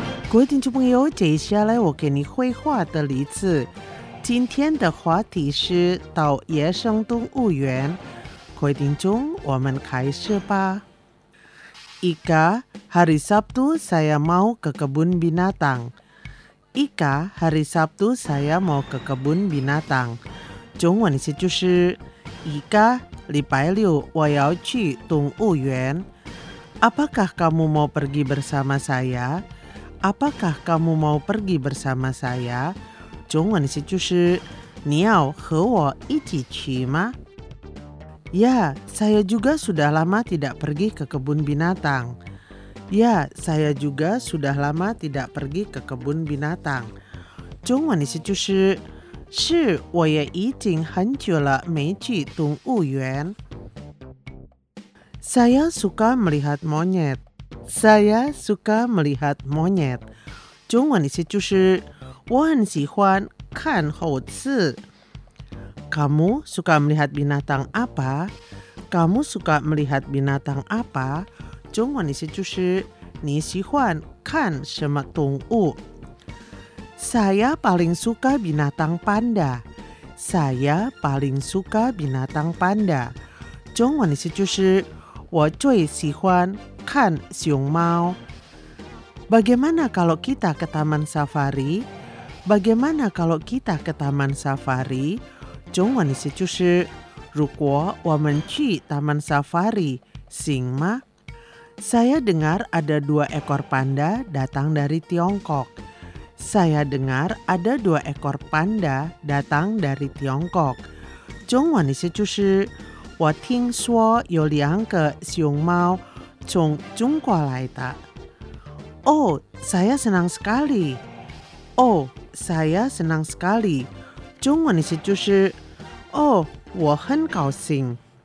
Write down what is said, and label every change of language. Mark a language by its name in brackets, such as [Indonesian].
[Chinese] 各位听众朋友，接下来我给你绘画的例子。今天的话题是到野生动物园。各位听众，我们开始吧。 [Indonesian] Ika, hari Sabtu saya mau ke kebun binatang. Ika, hari Sabtu saya mau ke kebun binatang. [Chinese] 中文意思就是 [Indonesian] Ika, [Chinese] 礼拜六我要去动物园。 [Indonesian] Apakah kamu mau pergi bersama saya? Apakah kamu mau pergi bersama saya? [Chinese] 中文意思就是你要和我一起去吗？ [Indonesian] Ya, saya juga sudah lama tidak pergi ke kebun binatang. Ya, saya juga sudah lama tidak pergi ke kebun binatang. [Chinese] 中文意思就是，是我也已经很久了没去动物园。 [Indonesian] Saya suka melihat monyet. Saya suka melihat monyet. [Chinese] 中文意思就是，我很喜欢看猴子。 [Indonesian] Kamu suka melihat binatang apa? Kamu suka melihat binatang apa? [Chinese] 中文意思就是你喜欢看什么动物。 [Indonesian] Saya paling suka binatang panda. Saya paling suka binatang panda. [Chinese] 中文意思就是我最喜欢看熊猫。 [Indonesian] Bagaimana kalau kita ke taman safari? Bagaimana kalau kita ke taman safari? [Chinese] 中文意思就是如果我们去 taman safari 行吗？ [Indonesian] Saya dengar ada 2 ekor panda datang dari Tiongkok. Saya dengar ada 2 ekor panda datang dari Tiongkok. [Chinese] 中文的意思就是，我听说有两个熊猫从中国来的。 [Indonesian] Oh, saya senang sekali. Oh, saya senang sekali. [Chinese] 中文的意思就是，Oh, 我很高兴。